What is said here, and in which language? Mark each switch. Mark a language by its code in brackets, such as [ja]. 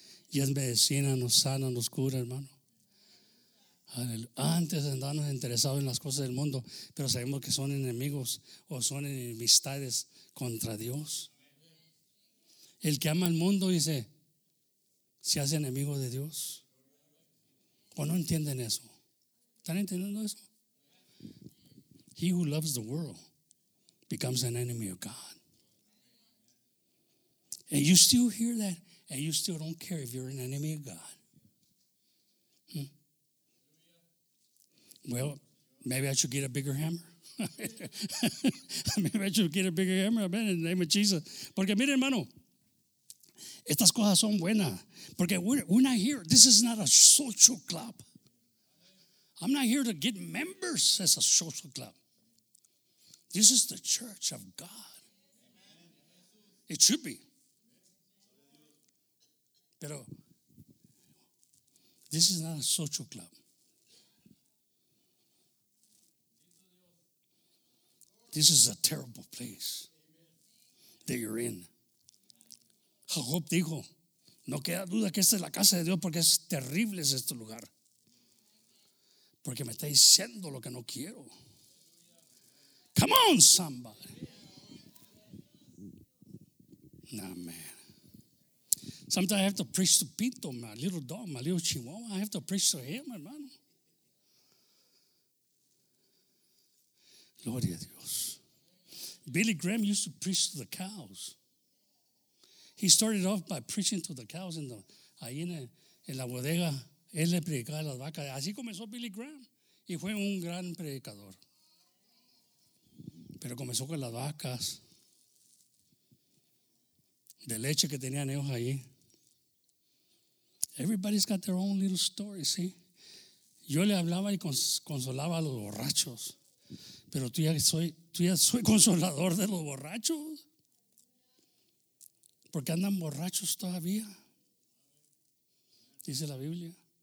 [es] Y es medicina, nos sana, nos cura, hermano. Antes andábamos interesados en las cosas del mundo, pero sabemos que son enemigos o son enemistades contra Dios. El que ama al mundo, dice, se hace enemigo de Dios. ¿O no entienden eso? ¿Están entendiendo eso? [en] He who loves the world becomes an enemy of God. And you still hear that, and you still don't care if you're an enemy of God. Well, maybe I should get a bigger hammer. Maybe I should get a bigger hammer, amen, in the name of Jesus. Porque mire, hermano, estas cosas son buenas. Porque we're not here, this is not a social club. I'm not here to get members as a social club. This is the church of God. It should be. [es] Pero [en] this is not a social club. This is a terrible place that you're in. [es] Jacob dijo, no queda duda que esta es la casa de Dios porque es terrible este lugar. Porque me está diciendo lo que no quiero. [en] Come on, somebody. Nah, man. Sometimes I have to preach to Pinto, my little dog, my little chihuahua. I have to preach to him, hermano. [es] Gloria a Dios. [en] Billy Graham used to preach to the cows. He started off by preaching to the cows in the [es] ahí en la bodega. Él le predicaba a las vacas. Así comenzó Billy Graham. Y fue un gran predicador. Pero comenzó con las vacas. De leche que tenían ellos ahí. [en] Everybody's got their own little story, see? [es] Yo le hablaba y consolaba a los borrachos. Pero tú ya soy consolador de los borrachos. ¿Por qué andan borrachos todavía? Dice la Biblia.